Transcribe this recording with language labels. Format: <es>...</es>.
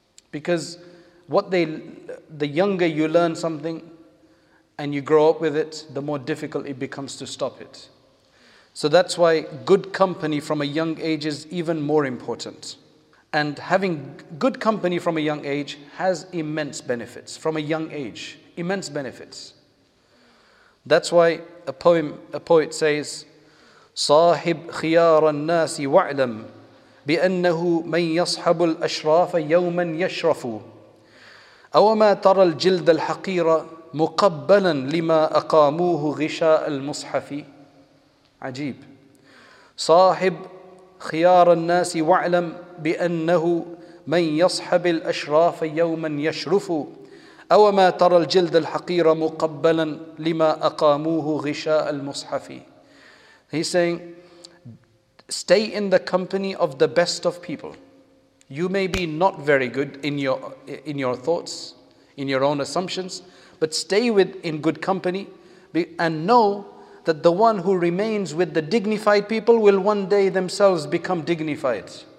<en>Because the younger you learn something and you grow up with it, the more difficult it becomes to stop it. So that's why good company from a young age is even more important. And having good company from a young age has immense benefits. From a young age, immense benefits. That's why a poet says,</en> <ar>صاحب خيار الناس واعلم بأنه من يصحب الأشراف يوما يشرف أوما ترى الجلد الحقير مقبلا لما أقاموه غشاء المصحف. عجيب. صاحب خيار الناس واعلم بأنه من يصحب الأشراف يوما يشرف أوما ترى الجلد الحقير مقبلا لما أقاموه غشاء المصحف.</ar> <en>He's saying, stay in the company of the best of people. You may be not very good in your thoughts, in your own assumptions, but stay in good company and know that the one who remains with the dignified people will one day themselves become dignified.</en>